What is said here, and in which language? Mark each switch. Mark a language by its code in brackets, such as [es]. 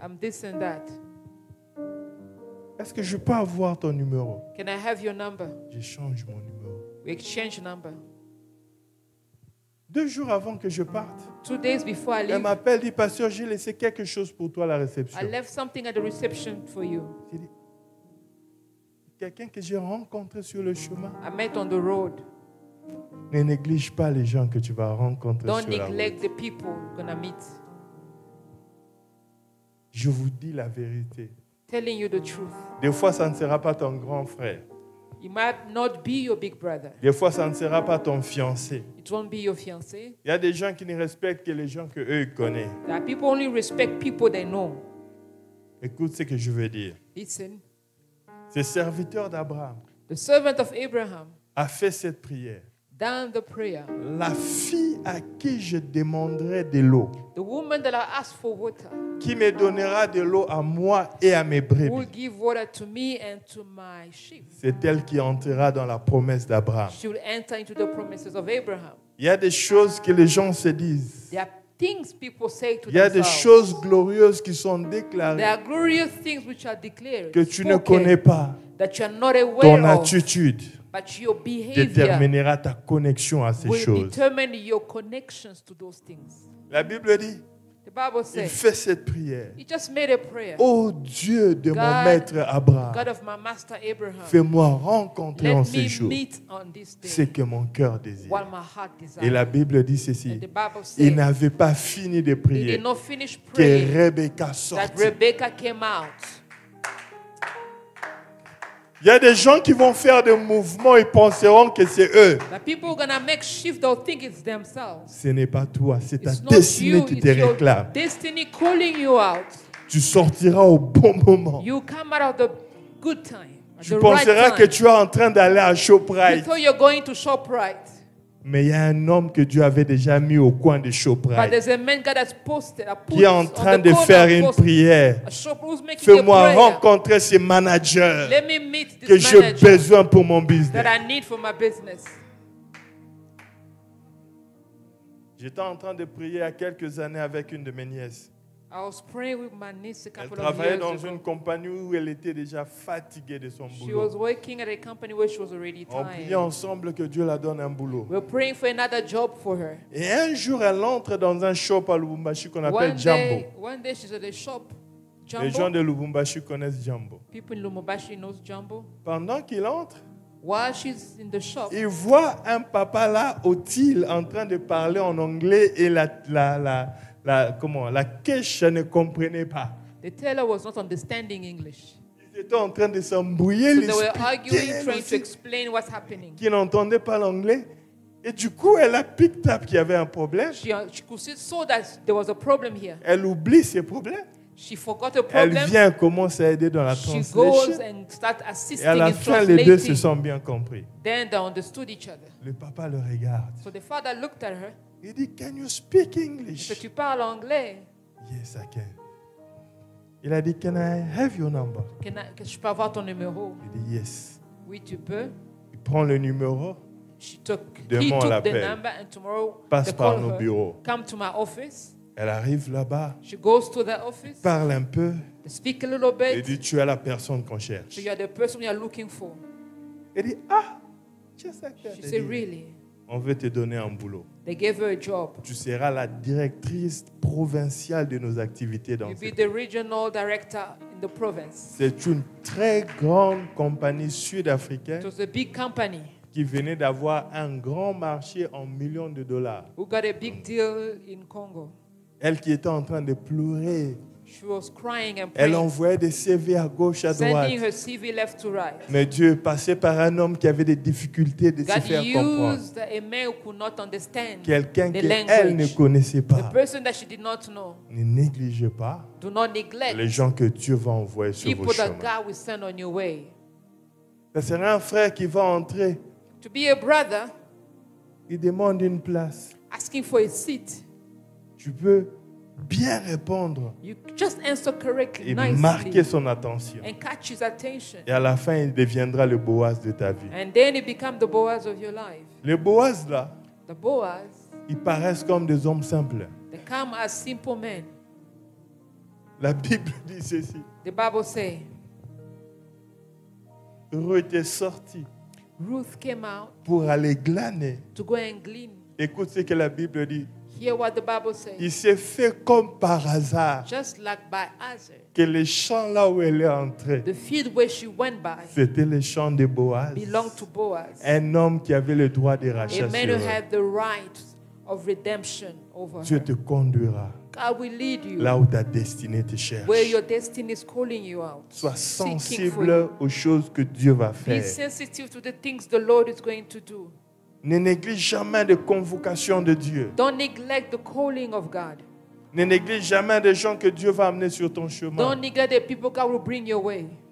[en] I'm this and that. [fr] Est-ce que je peux avoir ton numéro? [en] Can I have your number? [fr] Je change mon numéro. [en] We exchange number. [fr] Deux jours avant que je parte, [en] two days before I leave, [fr] elle m'appelle, dit, pasteur, j'ai laissé quelque chose pour toi à la réception. [en] I left something at the reception for you. [fr] Quelqu'un que j'ai rencontré sur le chemin. [en] I met on the road. [fr] Ne néglige pas les gens que tu vas rencontrer [en] Don't [fr] sur la route. [en] Don't neglect the people you're gonna meet. [fr] Je vous dis la vérité. [en] Telling you the truth. [fr] Des fois, ça ne sera pas ton grand frère. [en] It might not be your big brother. [fr] Des fois, ça ne sera pas ton fiancé. [en] It won't be your fiancé. [fr] Il y a des gens qui ne respectent que les gens que eux connaissent. [en] That people only respect people they know. [fr] Écoute ce que je veux dire. [en] Listen. [fr] Ce serviteur d'Abraham, [en] the servant of Abraham, [fr] a fait cette prière. [en] Done the prayer. [fr] La fille à qui je demanderai de l'eau, [en] the woman that I asked for water, [fr] qui me donnera de l'eau à moi et à mes brebis, [en] will give water to me and to my sheep. [fr] C'est elle qui entrera dans la promesse d'Abraham. [en] She will enter into the promises of Abraham. [fr] Il y a des choses que les gens se disent. [en] Things people say to themselves. [fr] Il y a des choses glorieuses qui sont déclarées. [en] There are glorious things which are declared, [fr] que tu ne connais pas. [en] That you are not aware [fr] ton attitude [en] of, but your behavior [fr] déterminera ta connexion à ces choses. [en] Will determine your connections to those things. [fr] La Bible dit, [en] the Bible says, [fr] il fait cette prière. [en] He just made a prayer. [fr] Oh Dieu de [en] God, [fr] mon maître Abraham, [en] God of my master Abraham, [fr] fais-moi rencontrer en ces jours [en] meet on this day, [fr] ce que mon cœur désire. [en] What my heart desires. [fr] Et la Bible dit ceci, [en] the Bible says, [fr] il n'avait pas fini de prier, [en] he did not finish praying, [fr] que Rebecca sortit. [en] That Rebecca came out. [fr] Il y a des gens qui vont faire des mouvements et penseront que c'est eux. [en] The people are gonna make shift, they'll think it's themselves. [fr] Ce n'est pas toi, c'est ta destinée qui te réclame. [en] Your destiny calling you out. [fr] Tu sortiras au bon moment. [en] You come out of the good time, at [fr] tu penseras [en] right time. [fr] Que tu es en train d'aller à Shoprite. [en] You thought you're going to Shoprite. [fr] Mais il y a un homme que Dieu avait déjà mis au coin de Shoprite. [en] But there's a man God has posted, [fr] qui est en train de faire une prière. Fais-moi rencontrer ce manager que j'ai besoin pour mon business. [en] That I need for my business. [fr] J'étais en train de prier il y a quelques années avec une de mes nièces. [en] I was praying with my niece a couple of years ago. [fr] Elle travaillait dans une compagnie où elle était déjà fatiguée de son boulot. [en] She was working at a company where she was already tired. [fr] On priait ensemble que Dieu la donne un boulot. [en] We were praying for another job for her. [fr] Et un jour, elle entre dans un shop à Lubumbashi qu'on appelle Jumbo. [en] One day, she's at a shop. Jumbo? [fr] Les gens de Lubumbashi connaissent Jumbo. [en] People in Lubumbashi knows Jumbo. [fr] Pendant qu'il entre, [en] while she's in the shop, [fr] il voit un papa là au til en train de parler en anglais et la comment la caisse ne comprenait pas. [en] The teller was not understanding English. [fr] Ils étaient en train de s'embrouiller. [en] So they were arguing, trying to explain what's happening. [fr] Qui n'entendait pas l'anglais. Et du coup, elle a [en] picked up [fr] qu'il y avait un problème. [en] She saw that there was a problem here. [fr] Elle oublie ses problèmes. [en] She forgot a problem. [fr] Elle vient commencer à aider dans la translation. [en] She goes and start assisting. [fr] Et à la fin, [en] translating. [fr] Les deux se sont bien compris. [en] Then they understood each other. [fr] Le papa le regarde. [en] So the father looked at her. [fr] Il dit, [en] can you speak English? [fr] Tu parles anglais? [en] Yes, I can. [fr] Il a dit, [en] can I have your number? [fr] Que je peux avoir ton numéro? Il dit, [en] yes. [fr] Oui, tu peux. Il prend le numéro. [en] She took. [fr] Demain, [en] took the number and tomorrow. [fr] Passe par nos bureaux. [en] Come to my office. [fr] Elle arrive là-bas. [en] She goes to the office. [fr] Parle un peu. [en] They speak a little bit. [fr] Il dit, tu es la personne qu'on cherche. [en] So you are the person you are looking for. [fr] Il dit, ah, [en] just like that. She said, really? [fr] On veut te donner un boulot. [en] They gave her a job. [fr] Tu seras la directrice provinciale de nos activités dans. [en] You'll be the regional director in the province. [fr] C'est une très grande compagnie sud-africaine. [en] It was a big company. [fr] Qui venait d'avoir un grand marché en millions de dollars. [en] Who got a big deal in Congo. [fr] Elle qui était en train de pleurer. [en] She was crying and praying. [fr] Elle envoyait des CV à gauche, à droite. [en] Sending her CV left to right. [fr] Mais Dieu passait par un homme qui avait des difficultés de [en] God [fr] se faire [en] used [fr] comprendre. [en] A man who could not understand. [fr] Quelqu'un [en] the [fr] que [en] language. [fr] Elle ne connaissait pas. [en] The person that she did not know. [fr] Ne négligez pas. [en] Do not neglect. [fr] Les gens que Dieu va envoyer sur [en] people [fr] vos chemins. [en] People that God will send on your way. [fr] Ce sera un frère qui va entrer. [en] To be a brother. [fr] Il demande une place. [en] Asking for a seat. [fr] Tu peux bien répondre [en] you just answer correctly, [fr] et [en] nicely, [fr] marquer son attention. [en] And catch his attention. [fr] Et à la fin, il deviendra le Boaz de ta vie. [en] And then he become the Boaz of your life. [fr] Les Boaz là, [en] the Boaz, [fr] ils paraissent comme des hommes simples. [en] They come as simple men. [fr] La Bible dit ceci. [en] The Bible say, [fr] Ruth est sortie [en] Ruth came out [fr] pour aller glaner. [en] To go and glean. [fr] Écoute ce que la Bible dit. [en] Hear what the Bible says. [fr] Il s'est fait comme par hasard [en] just like by hazard, [fr] que les champs là où elle est entrée [en] the field where she went by, [fr] c'était les champs de Boaz, [en] belonged to Boaz, [fr] un homme qui avait le droit de rachat [en] a man who had the right of redemption over [fr] Dieu [en] her. [fr] Te conduira [en] God will lead you [fr] là où ta destinée te cherche [en] where your destiny is calling you out. [fr] Sois sensible aux choses que Dieu va faire. [en] Be sensitive to the things the Lord is going to do. [fr] Ne néglige jamais les convocations de Dieu. [en] Don't neglect the calling of God. [fr] Ne néglige jamais les gens que Dieu va amener sur ton chemin. [en] Don't neglect the people God will bring your way.